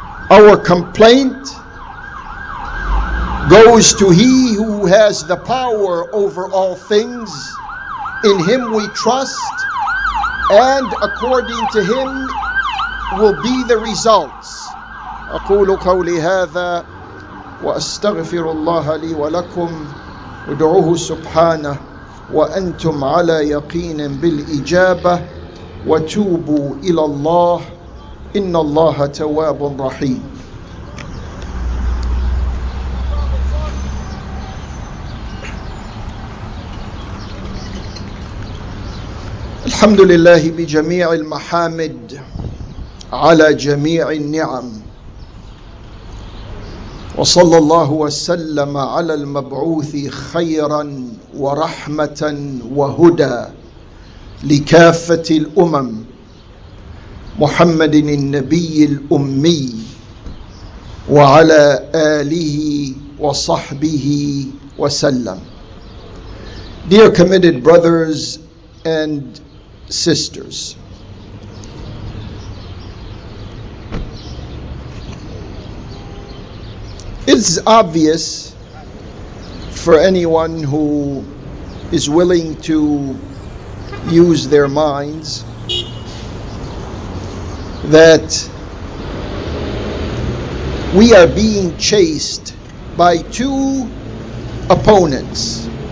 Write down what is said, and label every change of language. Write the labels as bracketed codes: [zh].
[en] Our complaint goes to He who has the power over all things. In Him we trust, and according to Him will be the results. [ar] أقول قولي هذا وأستغفر الله لي ولكم ودعوه سبحانه وأنتم على يقين بالإجابة وتوبوا إلى الله إن الله تواب رحيم. الحمد لله بجميع المحامد على جميع النعم وصلى الله وسلم على المبعوث خيرا ورحمة وهدى لكافة الأمم محمد النبي الأمي وعلى آله وصحبه وسلم. [en] Dear committed brothers and sisters, it's obvious for anyone who is willing to use their minds that we are being chased by two opponents.